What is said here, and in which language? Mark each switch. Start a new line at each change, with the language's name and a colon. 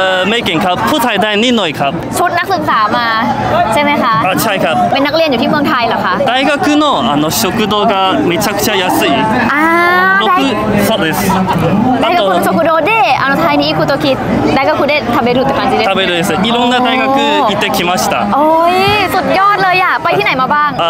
Thai: ไม่เก่งครับพูดไทยได้นิดหน่อยครับ ชุดนักศึกษามาใช่ไหมคะ ใช่ครับ เป็นนักเรียนอยู่ที่เมืองไทยเหรอคะ
Japanese: 大学のあの食堂がめちゃくちゃ安い。六そうです。大学の食堂であのタイに行くとき大学で食べるって感じです。食べるです。いろんな大学行ってきました。
Thai: おい、สุดยอดเลยอ่ะไปที่ไหนมาบ้าง？